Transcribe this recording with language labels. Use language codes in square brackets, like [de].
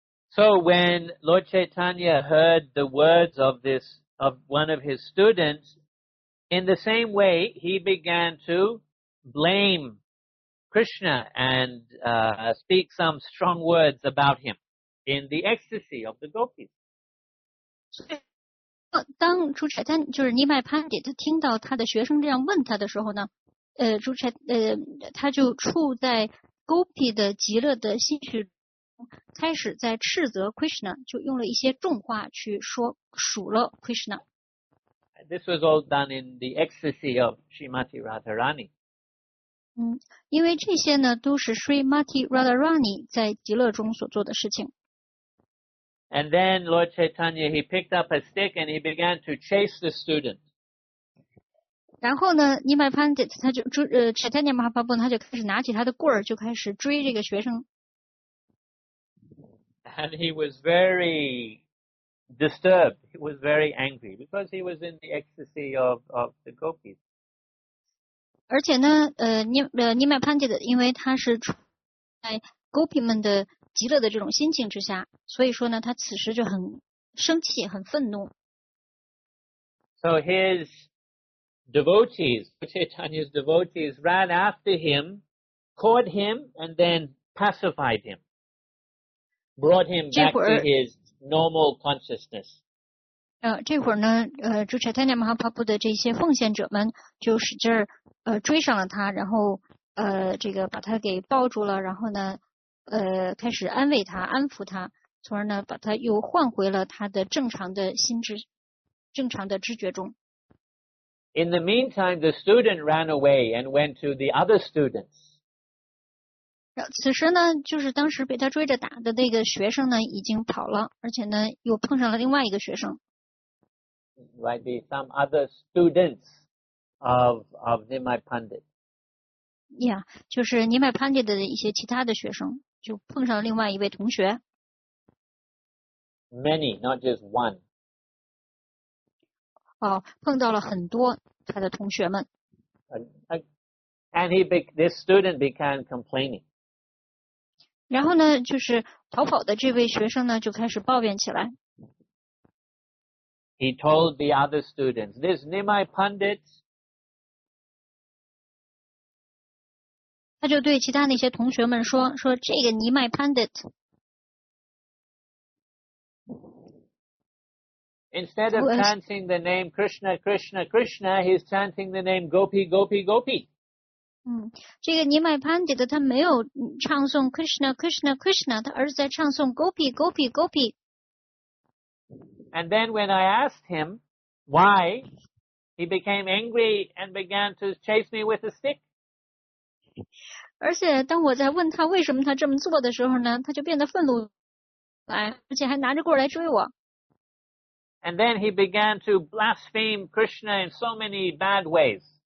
[en] So when Lord Chaitanya heard the words of this, of one of his students, in the same way, he began to blame Krishna and speak some strong words about him in the ecstasy of the gopis. [zh] 当主柴坦就是尼麦潘迪他听到他的学生这样问他的时候呢，主柴他就处在 gopi 的极乐的心绪。开始在斥责 Krishna， 就用了一些重话去说数了 Krishna。 [en] This was all done in the ecstasy of Srimati Radharani. [zh] 因为这些呢都是 Srimati Radharani 在极乐中所做的事情。 [en] And then Lord Chaitanya he picked up a stick and he began to chase the student. [zh] 然后呢，尼麦潘迪他就Chaitanya Mahaprabhu 他就开始拿起他的棍儿就开始追这个学生。 [en] And he was very disturbed. He was very angry because he was in the ecstasy of the gopis. [zh] 而且呢，尼麦潘迪的，因为他是处在 gopi 们的极乐的这种心情之下，所以说呢，他此时就很生气，很愤怒。 [en] So his devotees, Chaitanya's devotees, ran after him, caught him, and then pacified him, brought him back to his normal consciousness. [zh] 这会儿呢，朱查泰尼马哈帕布的这些奉献者们就使劲儿追上了他，然后这个把他给抱住了，然后呢开始安慰他，安抚他，从而呢把他又换回了他的正常的心智，正常的知觉中。 [en] In the meantime, the student ran away and went to the other students. [zh] 此时呢，就是当时被他追着打的那个学生呢已经跑了，而且呢又碰上了另外一个学生。 [en] Might be some other students of Nimai Pandit. [zh] Yeah, 就是 Nimai Pandit 的一些其他的学生，就碰上另外一位同学。 [en] Many, not just one. [zh] 哦，碰到了很多他的同学们。 [en] And he, this student began complaining. [zh] 然后呢，就是逃跑的这位学生呢，就开始抱怨起来。 [en] He told the other students, this Nimai Pandit, [zh] 他就对其他那些同学们说，说这个尼麦 Pandit, [en] instead of chanting the name Krishna, Krishna, Krishna, he's chanting the name Gopi, Gopi, Gopi. [zh] 这个尼麦 Pandit, 他没有唱诵 Krishna, Krishna, Krishna, 他而是在唱诵 Gopi, Gopi, Gopi. [en] And then when I asked him why, he became angry and began to chase me with a stick. [zh] 而且当我在问他为什么他这么做的时候呢，他就变得愤怒来，而且还拿着棍来追我。 [en] And then he began to blaspheme Krishna in so many bad ways.